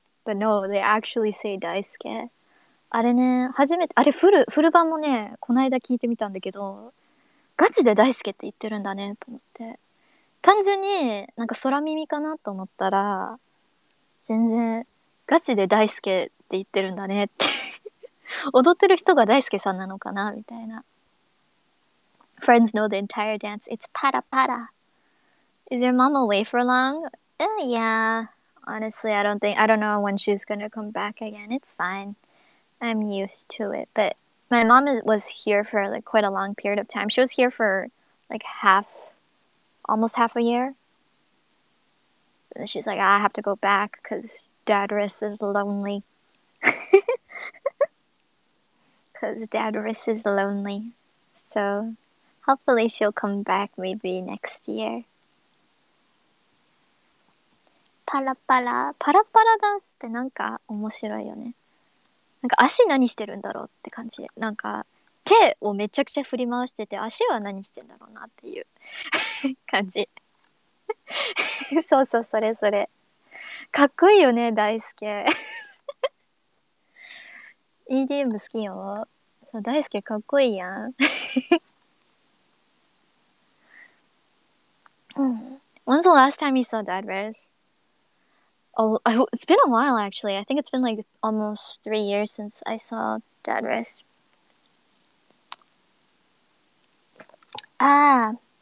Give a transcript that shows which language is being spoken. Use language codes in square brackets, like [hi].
[en] But no, they actually say Daisuke. [ja] あれね、初めて、あれフル版もね、この間聞いてみたんだけど、ガチで Daisuke って言ってるんだねと思って。単純になんか空耳かなと思ったら、全然ガチで Daisuke って言ってるんだねって。踊ってる人が Daisuke さんなのかなみたいな。 [en] Friends know the entire dance. It's para para. Is your mom away for long? Yeah. Honestly, I don't know when she's gonna come back again. It's fine. I'm used to it. But my mom was here for like quite a long period of time. She was here for like almost half a year. And then she's like, I have to go back because Dadris is lonely. Because Dadris is lonely. So... Hopefully she'll come back maybe next year. [ja] パラパラ、パラパラダンスってなんか面白いよね。なんか足何してるんだろうって感じで、なんか手をめちゃくちゃ振り回してて足は何してんだろうなっていう感じ。そうそう、それそれ。かっこいいよね、大輔。 EDM 好きよ。そう、大輔かっこいいやん。 [en] When's the last time you saw Dadris? It's been a while, actually. I think it's been, like, almost 3 years since I saw Dadris. Ah.